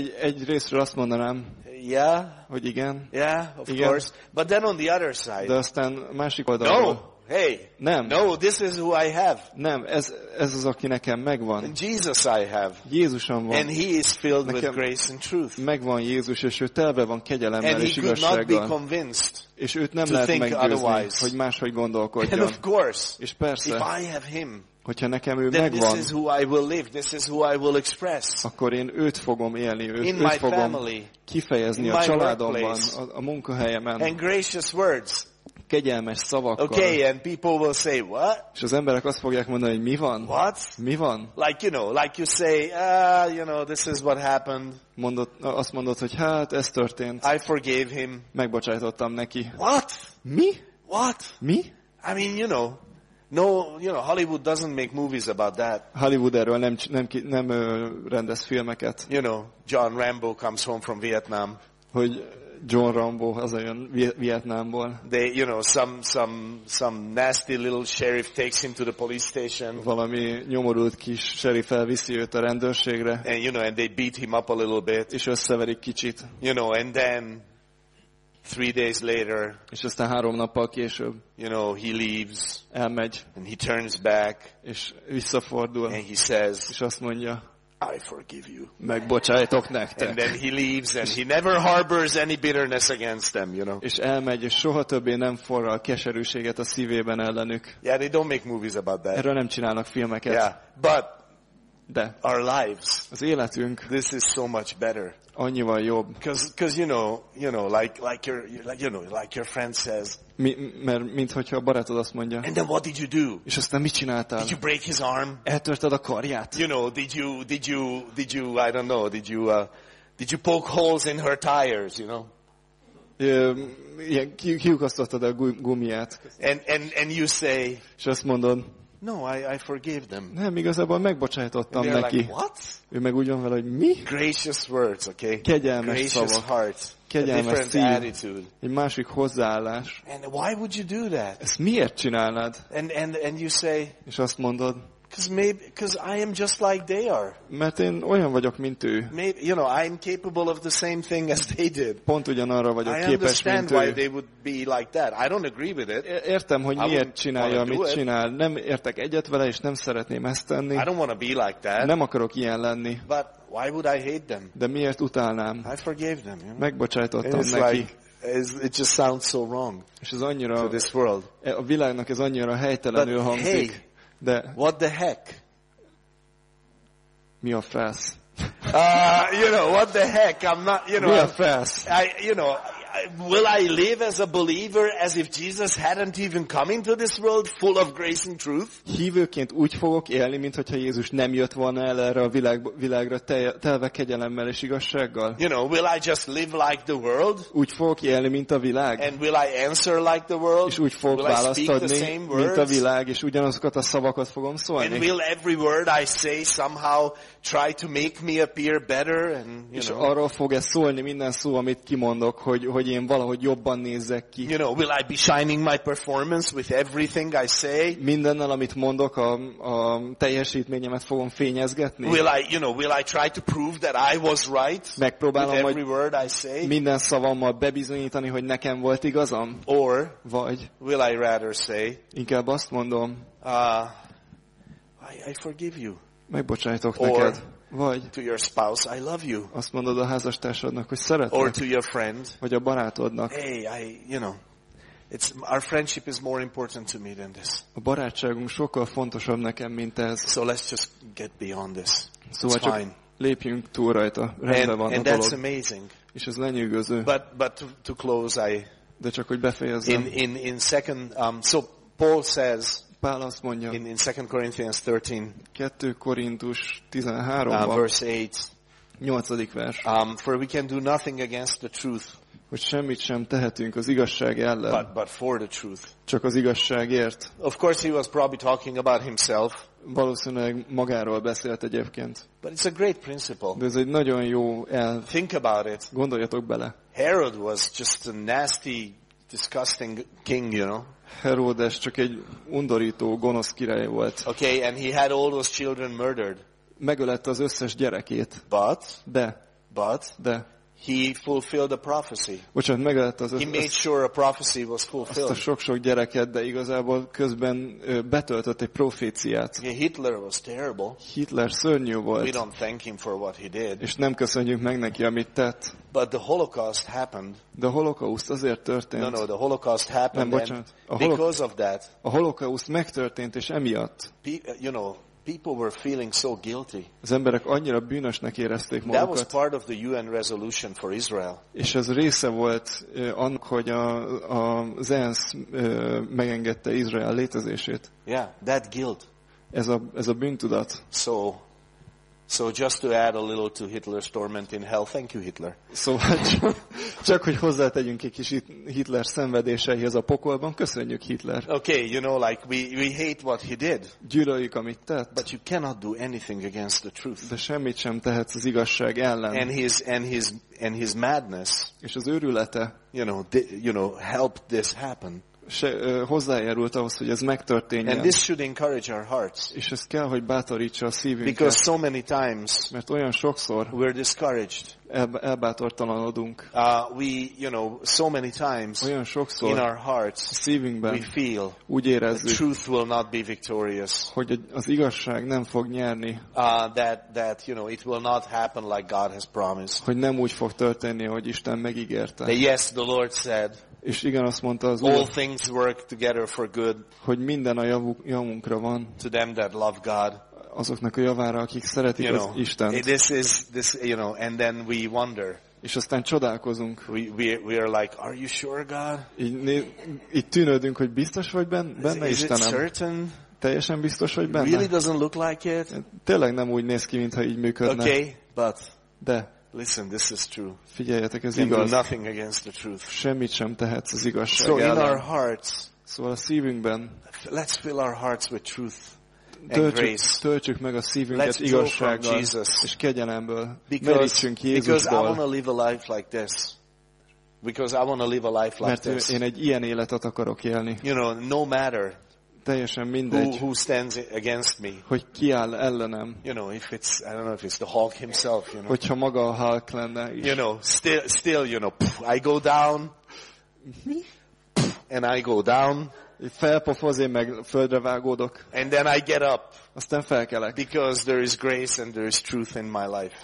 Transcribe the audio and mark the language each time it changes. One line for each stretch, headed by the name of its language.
Hungarian: Egy részről azt mondanám.
English: Yeah.
Hungarian: Hogy igen.
English: Yeah, of
Hungarian: igen.
English: Course. But then on the other side.
Hungarian: De aztán másik oldalról.
English: No. Hey.
Hungarian: Nem.
English: No, this is who I have.
Hungarian: Nem, ez az, aki nekem megvan.
English: Jesus I have.
Hungarian: Jézusom van.
English: And he is filled with grace and truth.
Hungarian: Megvan Jézus, és ő telve van kegyelemmel és igazsággal.
English: And he could not be convinced.
Hungarian: És őt nem lehet meggyőzni, hogy máshogy gondolkodjon.
English: And of course.
Hungarian: És persze.
English: If I have him.
Hungarian: Hogyha nekem ő
English: then
Hungarian: megvan,
English: this is who I will live. This is who I will express.
Hungarian: Akkor én őt fogom élni, őt fogom
English: family,
Hungarian: kifejezni a családomban, a munkahelyemen.
English: And gracious words.
Hungarian: Kegyelmes szavakkal.
English: Okay, and people will say what?
Hungarian: És az emberek azt fogják mondani, hogy mi van?
English: What?
Hungarian: Mi van?
English: Like you know, like you say, you know, this is what happened.
Hungarian: Azt mondod, hogy hát ez történt.
English: I forgave him.
Hungarian: Megbocsájtottam neki.
English: What?
Hungarian: Mi?
English: What?
Hungarian: Mi?
English: I mean, you know. No, you know, Hollywood doesn't make movies about that.
Hungarian: Hollywood erről nem rendez filmeket.
English: You know, John Rambo comes home from Vietnam.
Hungarian: Hogy John Rambo hazajön Vietnamból.
English: They, you know, some nasty little sheriff takes him to the police station.
Hungarian: Valami nyomorult kis sheriff elviszi őt a rendőrségre.
English: And you know, and they beat him up a little bit.
Hungarian: És összeverik kicsit.
English: You know, and then 3 days later,
Hungarian: és aztán 3 nappal később,
English: you know, he leaves,
Hungarian: elmegy,
English: and he turns back,
Hungarian: és visszafordul,
English: and he says,
Hungarian: és azt mondja,
English: I forgive you,
Hungarian: megbocsájtok nektek,
English: and then he leaves, and he never harbors any bitterness against them, you know,
Hungarian: és elmegy, és soha többé nem forral keserűséget a szívében ellenük.
English: Yeah, they don't make movies about that.
Hungarian: Erről nem csinálnak filmeket.
English: Yeah, but
Hungarian: de
English: our lives,
Hungarian: az életünk,
English: this is so much better,
Hungarian: annyival jobb,
English: because you know like your friend says,
Hungarian: mert mint hogyha a barátod azt mondja,
English: and then what did you do,
Hungarian: és aztán mit csináltál,
English: did you break his arm,
Hungarian: eltörted a karját,
English: you know, did you I don't know, did you poke holes in her tires, you know,
Hungarian: kiukasztottad a gumiját,
English: and you say,
Hungarian: és azt mondod,
English: no, I forgave them.
Hungarian: Nem, igazából megbocsájtottam neki.
English: Like, what?
Hungarian: Ő meg úgy van vele, hogy mi?
English: Gracious words, okay?
Hungarian: Kegyelmes
English: gracious
Hungarian: szavak.
English: Heart.
Hungarian: Kegyelmes
English: a different attitude.
Hungarian: Egy másik hozzáállás.
English: And why would you do that?
Hungarian: Ezt miért csinálnád?
English: And you say,
Hungarian: és azt mondod,
English: because I am just like they are.
Hungarian: Mert én olyan vagyok, mint ő.
English: Maybe, you know, I am capable of the same thing as they did.
Hungarian: Pont ugyanarra vagyok
English: I
Hungarian: képes, mint ő.
English: I understand why they would be like that. I don't agree with it.
Hungarian: Értem, hogy miért csinálja, amit csinál. Nem értek egyet vele, és nem szeretném ezt tenni.
English: I don't want to be like that.
Hungarian: Nem akarok ilyen lenni.
English: But why would I hate them?
Hungarian: De miért utálnám?
English: I forgave them. You know?
Hungarian: Megbocsájtottam
English: it's
Hungarian: neki.
English: Like, it just sounds so wrong.
Hungarian: És ez annyira,
English: to this world.
Hungarian: A világnak ez annyira helytelenül hangzik.
English: Hey,
Hungarian: de
English: what the heck?
Hungarian: Mi a fasz?
English: You know, what the heck? I'm not, you know.
Hungarian: Mi a fasz?
English: Will I live as a believer as if Jesus hadn't even come into this world full of grace and truth?
Hungarian: Hívőként úgy fogok élni, mintha Jézus nem jött volna el erre a világra telve kegyelemmel és igazsággal?
English: You know, will I just live like the world?
Hungarian: Úgy fogok élni, mint a világ?
English: And will I answer like the world?
Hungarian: És úgy fogok választani, mint a világ, és ugyanazokat a szavakat fogom szólni?
English: And will every word I say somehow try to make me appear better and, you know.
Hungarian: És arról fog ez szólni minden szó, amit kimondok, hogy én valahogy jobban nézzek ki.
English: You know, will I be shining my performance with everything I say?
Hungarian: Mindennel, amit mondok, a teljesítményemet fogom fényezgetni.
English: Will I try to prove that I was right?
Hungarian: Megpróbálom
English: with every word I say?
Hungarian: Minden szavammal bebizonyítani, hogy nekem volt igazam?
English: Or
Hungarian: vagy
English: will I rather say?
Hungarian: Inkább azt mondom.
English: I forgive you.
Hungarian: Megbocsájtok
English: or,
Hungarian: neked. Vagy
English: to your spouse, I love you.
Hungarian: Azt mondod a házastársadnak, hogy szeretlek.
English: Or to your friend,
Hungarian: vagy a barátodnak.
English: Hey, you know, it's our friendship is more important to me than this.
Hungarian: A barátságunk sokkal fontosabb nekem, mint ez.
English: So let's just get beyond this.
Hungarian: Szóval
English: it's fine.
Hungarian: Lépjünk túl rajta. Rendben van
English: and
Hungarian: a dolog.
English: And that's amazing.
Hungarian: És ez lenyűgöző.
English: But to close, I.
Hungarian: De csak hogy befejezzem.
English: In second, so Paul says.
Hungarian: Pál azt mondja,
English: in 2 Corinthians 13,
Hungarian: 2 Korintus 13-ban,
English: verse 8,
Hungarian: 8. vers.
English: For we can do nothing against the truth.
Hungarian: hogy semmit sem tehetünk az igazság ellen.
English: But for the truth.
Hungarian: Csak az igazságért.
English: Of course he was probably talking about himself.
Hungarian: Valószínűleg magáról beszélt egyébként.
English: But it's a great principle.
Hungarian: De ez egy nagyon jó elv.
English: Think about it.
Hungarian: Gondoljatok bele.
English: Herod was just a nasty, disgusting king, you know.
Hungarian: Herodes csak egy undorító, gonosz király volt.
English: Okay, and he had all those children murdered.
Hungarian: Megölette az összes gyerekét.
English: But.
Hungarian: De.
English: But.
Hungarian: De.
English: He fulfilled a prophecy.
Hungarian: Bocsánat, megölette az.
English: He made sure a prophecy was fulfilled.
Hungarian: Azt a sok-sok gyereket, de igazából közben betöltött egy proféciát.
English: Okay, Hitler was terrible.
Hungarian: Hitler szörnyű volt.
English: We don't thank him for what he did.
Hungarian: És nem köszönjük meg neki, amit tett.
English: But the Holocaust happened.
Hungarian: De a holokauszt azért történt.
English: No, the Holocaust happened.
Hungarian: Nem, bocsánat.
English: Because of that.
Hungarian: A holokauszt megtörtént, és emiatt.
English: You know. People were feeling so guilty.
Hungarian: Az emberek annyira bűnösnek érezték magukat.
English: That was part of the UN resolution for Israel.
Hungarian: És ez része volt annak, hogy az ENSZ megengedte Izrael létezését.
English: Yeah, that guilt.
Hungarian: Ez a bűntudat.
English: So just to add a little to Hitler's torment in hell. Thank you, Hitler.
Hungarian: Szóval csak hogy hozzátegyünk egy kis Hitler szenvedéseihez a pokolban. Köszönjük, Hitler.
English: Okay, you know, like we hate what he did.
Hungarian: Gyűlöljük, amit tett.
English: But you cannot do anything against the truth.
Hungarian: De semmit sem tehetsz az igazság ellen.
English: And his madness.
Hungarian: És az őrülete.
English: You know, helped this happen.
Hungarian: Hozzájárult ahhoz, hogy ez megtörténjen.
English: And this should encourage our hearts.
Hungarian: És ez kell, hogy bátorítsa a szívünket.
English: Because so many times,
Hungarian: mert olyan sokszor,
English: we're discouraged.
Hungarian: Elbátortalanodunk.
English: So many times,
Hungarian: olyan sokszor,
English: in our hearts,
Hungarian: a szívünkben,
English: we feel,
Hungarian: úgy érezzük,
English: the truth will not be victorious.
Hungarian: Hogy az igazság nem fog nyerni.
English: That you know, it will not happen like God has promised.
Hungarian: Hogy nem úgy fog történni, hogy Isten megígérte.
English: But yes, the Lord said.
Hungarian: És igen, azt mondta az
English: All
Hungarian: Úr,
English: things work together for good,
Hungarian: hogy minden a javunkra van.
English: To them that love God.
Hungarian: Azoknak a javára, akik szeretik
English: you
Hungarian: az
English: know,
Hungarian: Istent.
English: This, you know, and then we wonder.
Hungarian: És aztán csodálkozunk.
English: We are like, are you sure, God?
Hungarian: Így tűnődünk, hogy biztos vagy benne, Istenem?
English: Is it certain?
Hungarian: Teljesen biztos vagy benne?
English: Really doesn't look like it.
Hungarian: Tényleg nem úgy néz ki, mintha így működne.
English: Okay, but.
Hungarian: De.
English: Listen, this is true.
Hungarian: Figyeljetek, ez igaz.
English: Do nothing against the truth.
Hungarian: Semmit sem tehetsz az igazság ellen.
English: So in our hearts,
Hungarian: szóval a szívünkben,
English: let's fill our hearts with truth
Hungarian: töltsük meg a szívünket
English: let's
Hungarian: igazsággal
English: from Jesus.
Hungarian: És kegyelemből. Merítsünk Jézusból.
English: Because I want to live a life like this. Because I want to live a life like this.
Hungarian: Mert én egy ilyen életet akarok élni.
English: You know, no matter.
Hungarian: Teljesen mindegy,
English: who stands against me?
Hungarian: Hogy ki áll ellenem?
English: You know, if it's I don't know if it's the Hulk himself, you know.
Hungarian: Hogyha maga a Hulk lenne is.
English: You know, still you know, I go down. And I go down.
Hungarian: Felpofoz, én meg földre vágódok.
English: And then I get up.
Hungarian: Aztán felkelek.
English: Because there is grace and there is truth in my life.